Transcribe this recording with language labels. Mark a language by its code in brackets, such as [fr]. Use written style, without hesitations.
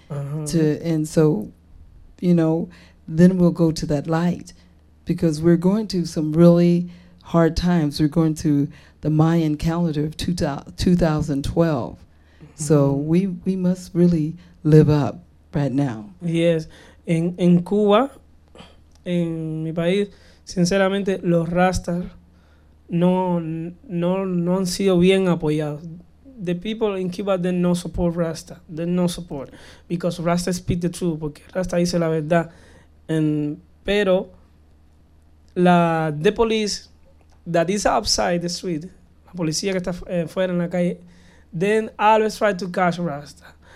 [en] Then we'll go to that light, because we're going to some really hard times. We're going to the Mayan calendar of 2012. So we must really live up right now. [es] Yes, en Cuba, en mi país, sinceramente los rastas no han sido bien apoyados. [en] The people in Cuba did not support Rasta. They no support because Rasta speak the truth, [es] porque Rasta dice la verdad. Pero [en] the police that is outside the street, [es] la policía que está fuera en la calle, [en] then always try to catch Rasta.